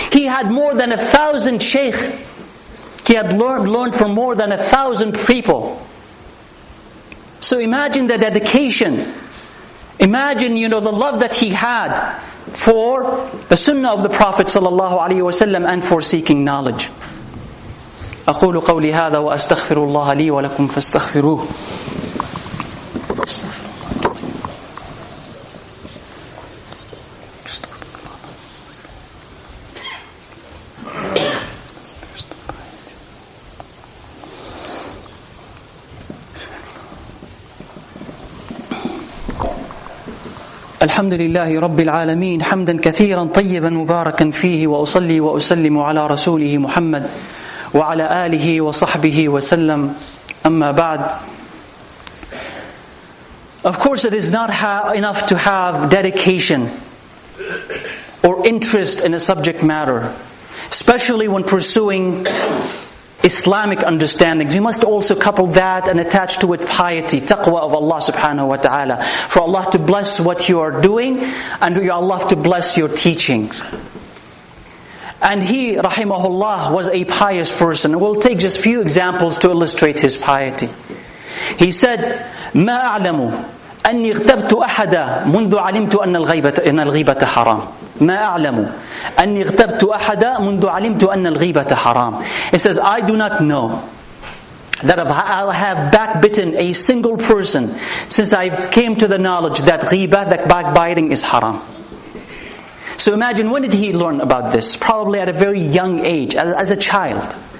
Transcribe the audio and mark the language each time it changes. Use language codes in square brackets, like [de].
[en] He had more than 1,000 sheikh. He had learned from more than 1,000 people. So imagine the dedication. Imagine, you know, the love that he had for the sunnah of the Prophet sallallahu alaihi wasallam and for seeking knowledge. [ar] أقول قولي هذا وأستغفر الله لي ولكم فاستغفروه. الحمد لله رب العالمين حمدا كثيرا طيبا مباركا فيه وأصلي وأسلم على رسوله محمد وعلى آله وصحبه وسلم أما بعد. [en] Of course it is not enough to have dedication or interest in a subject matter, especially when pursuing Islamic understandings. You must also couple that and attach to it piety, taqwa of Allah subhanahu wa ta'ala. For Allah to bless what you are doing and Allah to bless your teachings. And he, rahimahullah, was a pious person. We'll take just a few examples to illustrate his piety. He said, [ar] مَا أَعْلَمُ أَنِّي اغْتَبْتُ أَحَدًا مُنْذُ عَلِمْتُ أَنَّ الْغِيبَةَ حَرَامٌ. مَا أَعْلَمُ أَنِّي اغْتَبْتُ أَحَدًا مُنْذُ عَلِمْتُ أَنَّ الْغِيبَةَ حَرَامٌ. [en] It says, I do not know that I have backbitten a single person since I came to the knowledge that ghiba, that backbiting is haram. So imagine, when did he learn about this? Probably at a very young age, as a child.